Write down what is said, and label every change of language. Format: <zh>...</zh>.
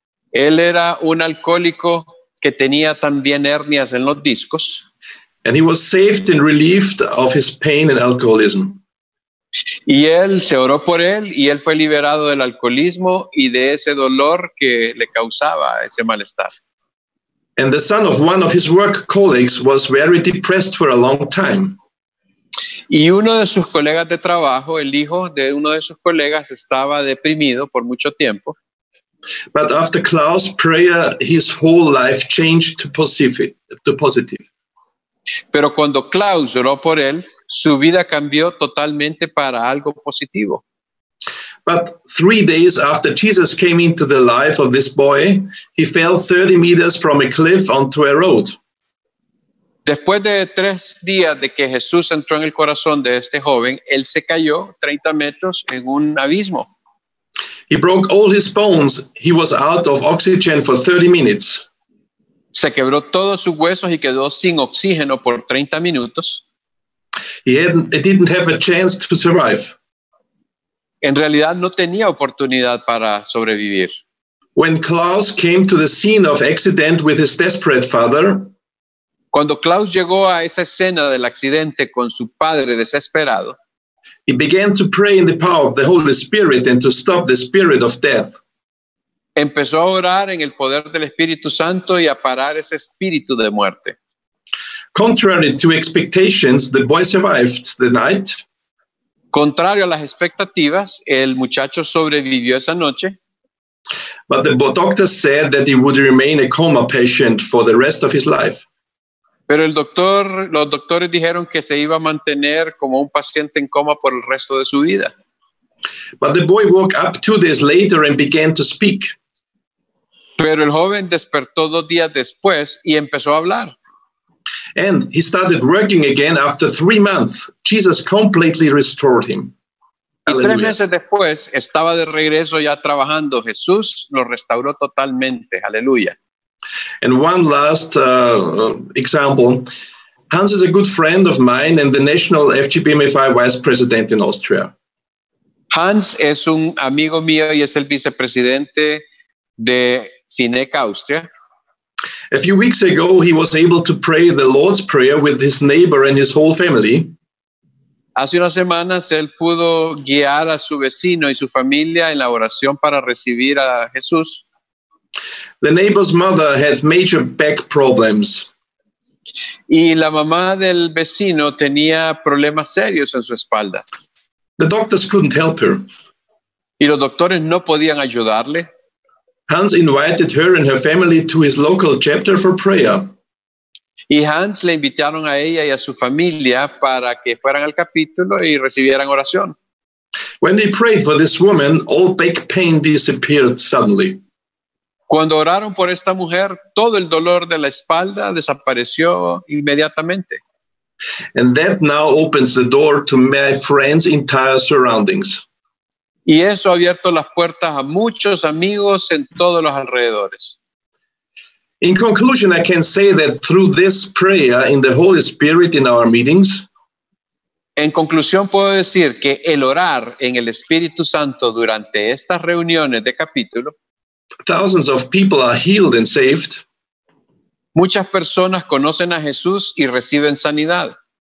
<es>Él era un alcohólico que tenía también hernias en los discos.</es> <en>And he was saved and relieved of his pain and alcoholism.</en> <es>Y él se oró por él y él fue liberado del alcoholismo y de ese dolor que le causaba ese malestar.</es> <en>And the son of one of his work colleagues was very depressed for a long time.</en> <es>Y uno de sus colegas de trabajo, el hijo de uno de sus colegas, estaba deprimido por mucho tiempo.</es> <en>But after Klaus' prayer, his whole life changed to positive.</en> <es>Pero cuando Klaus oró por él, su vida cambió totalmente para algo positivo.</es> <en>But 3 days after Jesus came into the life of this boy, he fell 30 meters from a cliff onto a road.</en> <es>Después de 3 días de que Jesús entró en el corazón de este joven, él se cayó 30 metros en un abismo.</es> <en>He broke all his bones. He was out of oxygen for 30 minutes.</en> <es>Se quebró todos sus huesos y quedó sin oxígeno por 30 minutos.</es> <en>didn't have a chance to survive.</en> <es>En realidad no tenía oportunidad para sobrevivir.</es> <en>When Klaus came to the scene of accident with his desperate father,</en> <es>cuando Klaus llegó a esa escena del accidente con su padre desesperado,</es> <en>he began to pray in the power of the Holy Spirit and to stop the spirit of death.</en> <es>Empezó a orar en el poder del Espíritu Santo y a parar ese espíritu de muerte.</es> <en>Contrary to expectations, the boy survived the night.</en> <es>Contrario a las expectativas, el muchacho sobrevivió esa noche.</es> <en>But the doctor said that he would remain a coma patient for the rest of his life.</en> <es>Pero el doctor, los doctores dijeron que se iba a mantener como un paciente en coma por el resto de su vida.</es> <en>But the boy woke up 2 days later and began to speak.</en> <es>Pero el joven despertó 2 días después y empezó a hablar.</es> <en>And he started working again after 3 months. Jesus completely restored him.</en> <es>Y 3 meses después estaba de regreso ya trabajando. Jesús lo restauró totalmente. Aleluya.</es> <en>And one last example. Hans is a good friend of mine and the national FGBMFI vice president in Austria.</en> <es>Hans es un amigo mío y es el vicepresidente de Fineca Austria.</es> <en>A few weeks ago, he was able to pray the Lord's Prayer with his neighbor and his whole family.</en> <es>Hace unas semanas, él pudo guiar a su vecino y su familia en la oración para recibir a Jesús.</es> <en>The neighbor's mother had major back problems.</en> <es>Y la mamá del vecino tenía problemas serios en su espalda.</es> <en>The doctors couldn't help her.</en> <es>Y los doctores no podían ayudarle.</es> <en>Hans invited her and her family to his local chapter for prayer.</en> <es>Y Hans le invitaron a ella y a su familia para que fueran al capítulo y recibieran oración.</es> <en>When they prayed for this woman, all back pain disappeared suddenly.</en> <es>Cuando oraron por esta mujer, todo el dolor de la espalda desapareció inmediatamente.</es> <en>And that now opens the door to my friend's entire surroundings.</en> <es>Y eso ha abierto las puertas a muchos amigos en todos los alrededores.</es> <en>In conclusion, I can say that through this prayer in the Holy Spirit in our meetings,</en> <es>en conclusión puedo decir que el orar en el Espíritu Santo durante estas reuniones de capítulo,</es> <en>thousands of people are healed and saved.</en> <es>Muchas personas conocen a Jesús y reciben sanidad.</es>